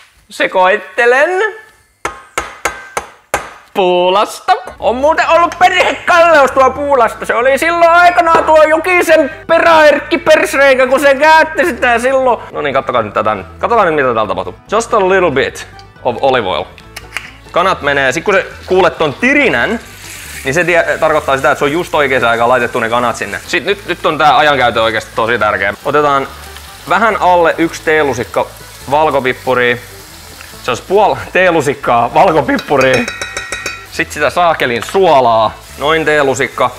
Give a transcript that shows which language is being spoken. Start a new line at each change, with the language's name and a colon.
Finnish: Sekoittelen. Puulasta. On muuten ollut perhekalleus tuo Puulasta. Se oli silloin aikanaan tuo Jokisen peräherkki persreikä, kun se käytti sitä silloin. No niin, kattokaa nyt tätä. Katsokaa nyt, mitä täällä tapahtuu.
English: Just a little bit of olive oil.
Finnish: Kanat menee. Sitten kun se kuulet ton tirinän, niin se tarkoittaa sitä, että se on just oikeassa aikaa laitettu ne kanat sinne. Sitten nyt on tää ajankäytö oikeasti tosi tärkeä. Otetaan vähän alle yksi teelusikka valkopippuria. Se olisi puoli teelusikkaa valkopippuria. Sitten sitä saakelin suolaa. Noin teelusikka.